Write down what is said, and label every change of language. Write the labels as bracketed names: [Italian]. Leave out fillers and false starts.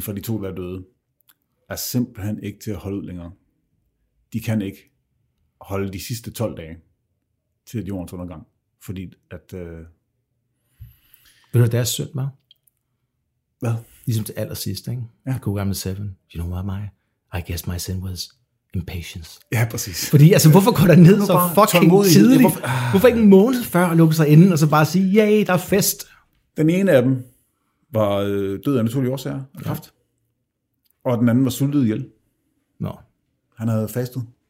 [Danish] For de 2, der er døde, er simpelthen ikke til at holde ud længere. De kan ikke holde de sidste 12 dage til jordens undergang, fordi at... Ved du, deres synd var? Hvad? Ligesom til allersidst, ikke? Ja. God gamle 7. [English] You know what, my? I guess my sin was impatience. [Danish] Ja, præcis. Fordi, altså, hvorfor går der ned så fucking tidligt? Hvorfor ikke en måned før at lukke sig inden, og så bare sige, yay, der er fest? Den ene af dem var død af naturlige årsager af kræft. Og den anden var sultet ihjel. Nå. Han havde fastet.